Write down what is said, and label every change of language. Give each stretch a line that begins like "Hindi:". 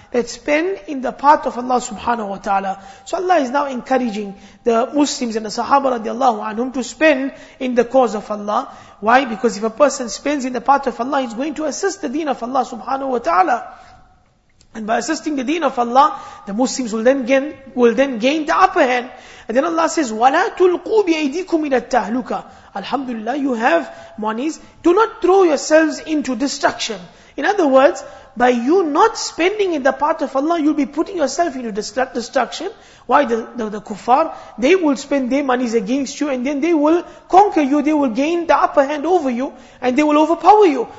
English: Let's spend in the path of Allah subhanahu wa ta'ala. So Allah is now encouraging the Muslims and the Sahaba radiallahu anhum to spend in the cause of Allah. Why? Because if a person spends in the path of Allah, he's going to assist the deen of Allah subhanahu wa ta'ala. And by assisting the deen of Allah, the Muslims will then gain the upper hand.
Arabic: And then Allah says, وَلَا تُلْقُوا بِأَيْدِيكُمْ إِلَى التَّهْلُكَةِ.
English: Alhamdulillah, you have monies. Do not throw yourselves into destruction. In other words, by you not spending in the path of Allah, you'll be putting yourself into destruction. Why? The kuffar, they will spend their monies against you, and then they will conquer you, they will gain the upper hand over you, and they will overpower you.